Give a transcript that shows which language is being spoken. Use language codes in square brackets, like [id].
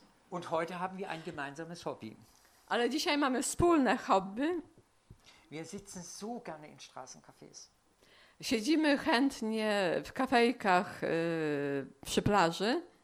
[de] Und heute haben wir ein gemeinsames Hobby. [pl] Ale dzisiaj mamy wspólne hobby. [de] Wir sitzen so gerne in Straßencafés. [pl] Siedzimy chętnie w kafejkach przy plaży.